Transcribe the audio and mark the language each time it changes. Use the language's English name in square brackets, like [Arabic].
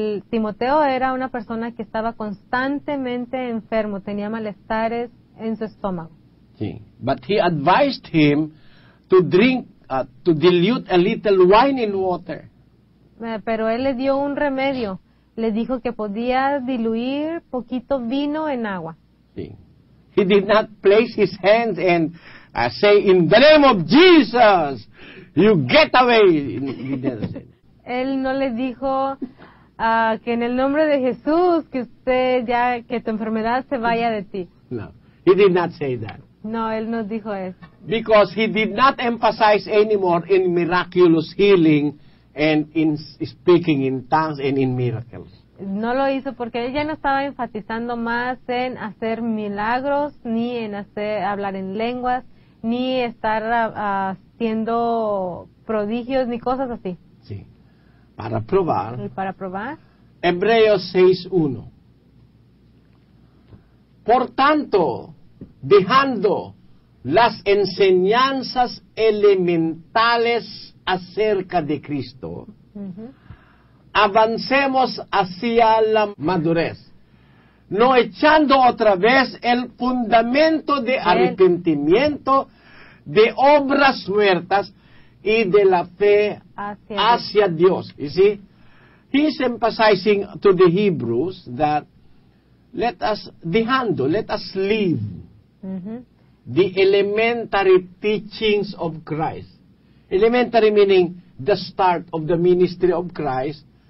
[Spanish] Timoteo era una persona que estaba constantemente enfermo, tenía malestares en su estómago. [English] Sí, but he advised him to drink, to dilute a little wine in water. [Spanish] Pero él le dio un remedio. Le dijo que podía diluir poquito vino en agua. Sí. [English] He did not place his hands and say, in the name of Jesus, you get away. [Spanish] Él no le dijo que en el nombre de Jesús, que usted ya, que tu enfermedad se vaya de ti. [English] No, he did not say that. [Spanish] No, él no dijo eso. [English] Because he did not emphasize anymore in miraculous healing and in speaking in tongues and in miracles. [Spanish] No lo hizo porque él ya no estaba enfatizando más en hacer milagros, ni en hablar en lenguas, ni estar haciendo prodigios, ni cosas así. Sí. Para probar. ¿Y para probar? Hebreos 6:1. Por tanto, dejando las enseñanzas elementales acerca de Cristo, avancemos hacia la madurez, no echando otra vez el fundamento de arrepentimiento, de obras muertas y de la fe hacia Dios. [English] You see, he's emphasizing to the Hebrews that let us leave the elementary teachings of Christ. Elementary meaning the start of the ministry of Christ.